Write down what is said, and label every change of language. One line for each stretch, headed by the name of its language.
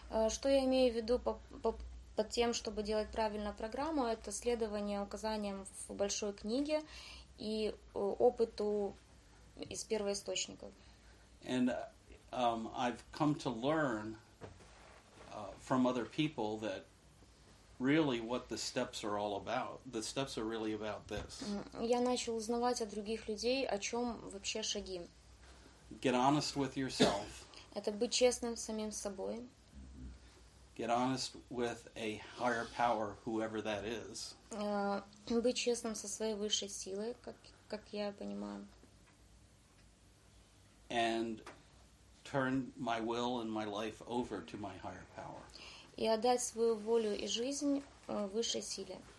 Russian: Что я имею в виду под тем, чтобы делать правильно программу, это следование указаниям в большой книге и опыту из первоисточников.
English: And I've come to learn from other people that really what the steps are all about. The steps are really about this.
Russian: Я начал узнавать от других людей, о чем вообще шаги.
English: Get honest with yourself.
Russian: Это быть честным с самим собой.
English: Get honest with a higher power, whoever that is.
Russian: Быть честным со своей высшей силой, как я понимаю.
English: And turn my will and my life over to my higher power.
Russian: И отдать свою волю и жизнь высшей силе.